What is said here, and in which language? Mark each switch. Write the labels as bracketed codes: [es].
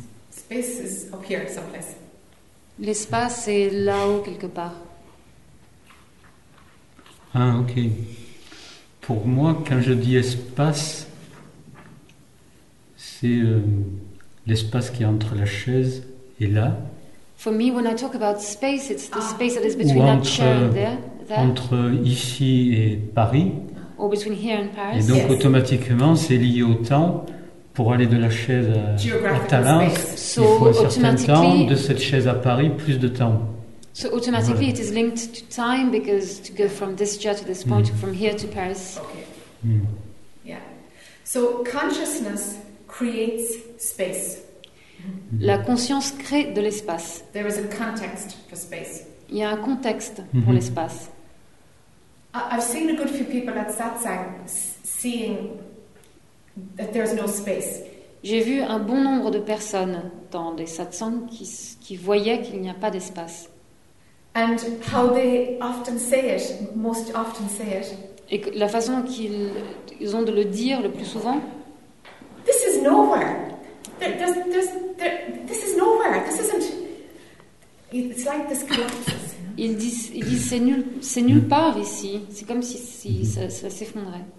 [en] Space is up here someplace. [fr] L'espace est là-haut quelque part. Ah, ok. Pour moi, quand je dis espace, c'est l'espace qui est entre la chaise et là. [en] For me, when I talk about space, it's the space that is between that chair and there. [fr] Entre ici et Paris. [en] Or between here and Paris. [fr] Et donc [en] yes. [fr] Automatiquement, c'est lié au temps. Pour aller de la chaise à Talence, [en] so, [fr] il faut un certain temps. De cette chaise à Paris, plus de temps. [en] So automatically, voilà. It is linked to time because to go from this chair to this point, from here to Paris. Okay. So consciousness creates space. [fr] La conscience crée de l'espace. [en] There is a context for space. [fr] Il y a un contexte pour l'espace. [en] I've seen a good few people at satsang seeing that there's no space. [fr] J'ai vu un bon nombre de personnes dans des satsangs qui voyaient qu'il n'y a pas d'espace. [en] And how they often say it, most often say it. [fr] Et la façon qu'ils ont de le dire le plus souvent. [en] This is nowhere. This is nowhere. This isn't. It's like this collapses. [fr] Ils disent c'est nulle part ici. C'est comme si ça s'effondrait.